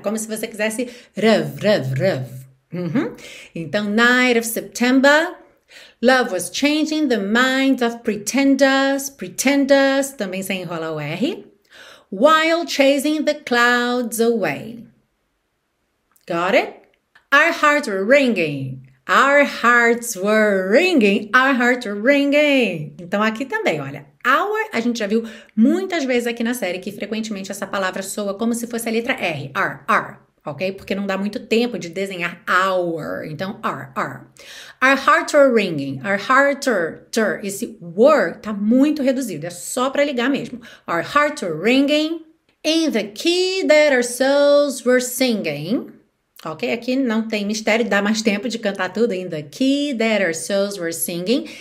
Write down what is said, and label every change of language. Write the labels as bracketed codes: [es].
[pt] Como se você quisesse rev, rev, rev. [en] Então, night of September, love was changing the minds of pretenders, [pt] também sem enrolar o R, [en] while chasing the clouds away. Got it? Our hearts were ringing. Our hearts were ringing. Our hearts were ringing. [pt] Então, aqui também, olha. Our, a gente já viu muitas vezes aqui na série que frequentemente essa palavra soa como se fosse a letra R. R, R, ok? Porque não dá muito tempo de desenhar our. Então, are. [en] Our hearts are ringing. Our hearts are. [pt] Esse were tá muito reduzido. É só para ligar mesmo. [en] Our hearts are ringing in the key that our souls were singing. Ok? [pt] Aqui não tem mistério, dá mais tempo de cantar tudo. [en] In the key that our souls were singing.